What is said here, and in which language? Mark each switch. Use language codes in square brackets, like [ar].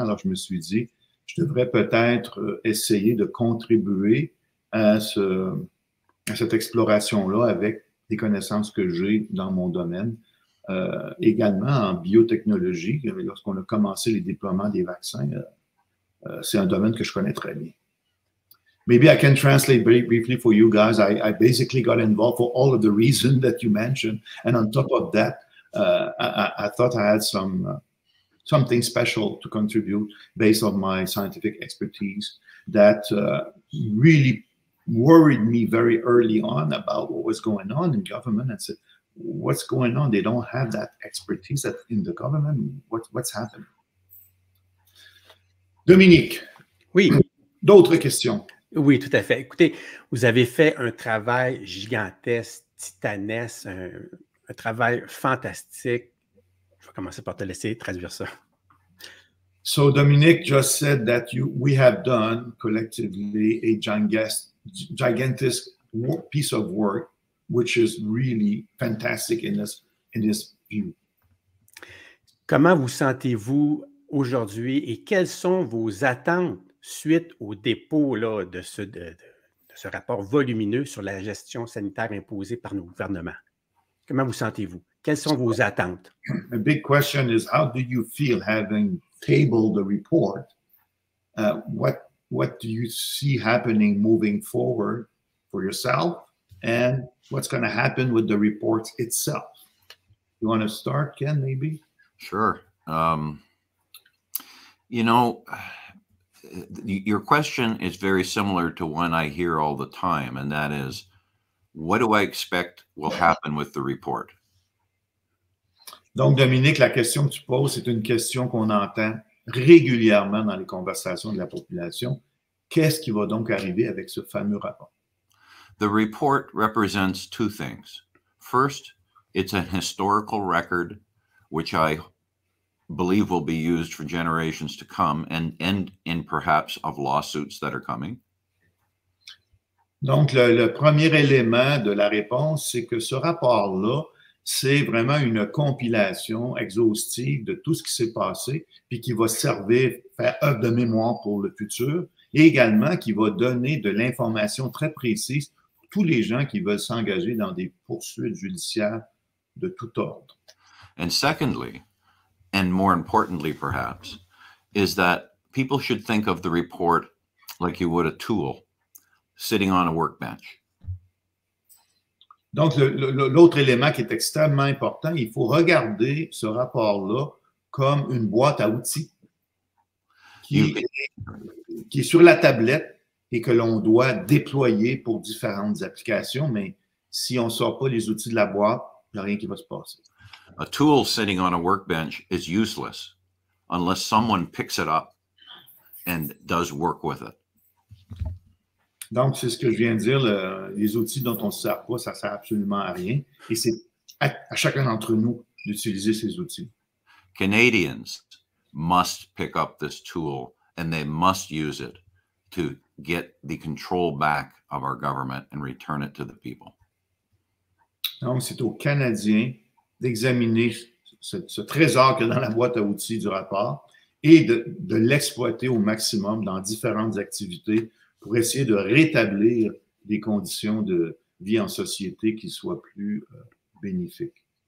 [fr] Alors, je me suis dit, je devrais peut-être essayer de contribuer à cette exploration-là avec les connaissances que j'ai dans mon domaine. Également en biotechnologie, lorsqu'on a commencé les déploiements des vaccins, c'est un domaine que je connais très bien. [en] Maybe I can translate very briefly for you guys. I basically got involved for all of the reasons that you mentioned. And on top of that, I thought I had something special to contribute based on my scientific expertise that really worried me very early on about what was going on in government. I said, what's going on? They don't have that expertise that in the government. What's happening? Dominique. [fr] Oui. D'autres questions? Oui, tout à fait. Écoutez, vous avez fait un travail gigantesque, titanesque, un travail fantastique. Je vais commencer par te laisser traduire ça. [en] So, Dominique just said that we have done collectively a gigantesque piece of work, which is really fantastic in this view. [fr] Comment vous sentez-vous aujourd'hui et quelles sont vos attentes suite au dépôt là, de ce rapport volumineux sur la gestion sanitaire imposée par nos gouvernements? Comment vous sentez-vous? Quelles sont vos attentes? [en] A big question is how do you feel having tabled the report? What do you see happening moving forward for yourself and what's going to happen with the report itself? You want to start, Ken, maybe? Sure. You know, your question is very similar to one I hear all the time, and that is, what do I expect will happen with the report? [fr] Donc, Dominique, la question que tu poses, c'est une question qu'on entend régulièrement dans les conversations de la population. Qu'est-ce qui va donc arriver avec ce fameux rapport? [en] The report represents two things. First, it's a historical record, which I believe will be used for generations to come and end in perhaps of lawsuits that are coming. [fr] Donc, le premier élément de la réponse, c'est que ce rapport-là, c'est vraiment une compilation exhaustive de tout ce qui s'est passé, puis qui va servir, faire œuvre de mémoire pour le futur, et également qui va donner de l'information très précise pour tous les gens qui veulent s'engager dans des poursuites judiciaires de tout ordre. [en] And secondly, and more importantly perhaps, is that people should think of the report like you would a tool sitting on a workbench. [fr] Donc, l'autre élément qui est extrêmement important, il faut regarder ce rapport-là comme une boîte à outils qui est sur la tablette et que l'on doit déployer pour différentes applications, mais si on ne sort pas les outils de la boîte, il n'y a rien qui va se passer. [en] A tool sitting on a workbench is useless unless someone picks it up and does work with it. [fr] Donc, c'est ce que je viens de dire, les outils dont on ne sert pas, ça ne sert absolument à rien. Et c'est à chacun d'entre nous d'utiliser ces outils. [en] Canadians must pick up this tool and they must use it to get the control back of our government and return it to the people. [fr] Donc, c'est aux Canadiens d'examiner ce trésor qu'il y a dans la boîte à outils du rapport et de l'exploiter au maximum dans différentes activités pour essayer de rétablir des conditions de vie en société qui soient plus bénéfiques.